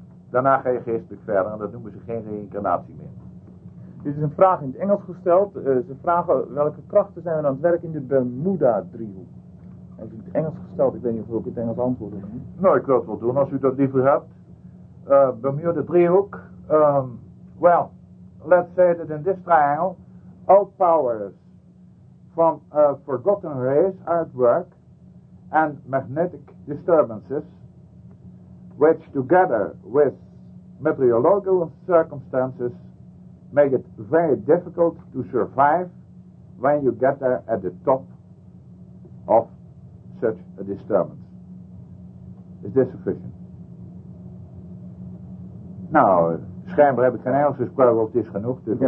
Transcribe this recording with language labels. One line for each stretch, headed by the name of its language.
Dutch: Daarna ga je geestelijk verder en dat noemen ze geen reïncarnatie meer. Dit is een vraag in het Engels gesteld. Ze vragen welke krachten zijn er aan het werk in de Bermuda-driehoek. Het is in het Engels gesteld, ik weet niet of ik het Engels antwoord heb. Nou, ik wil het wel doen als u dat liever hebt. Bermuda-driehoek.
English: Well, let's say that in this triangle, all powers from a forgotten race are at work and magnetic disturbances, which together with meteorological circumstances make it very difficult to survive when you get there at the top of such a disturbance. Is this sufficient?
Dutch: Nou, schijnbaar heb ik geen Engels gesproken, of het is genoeg, dus ja.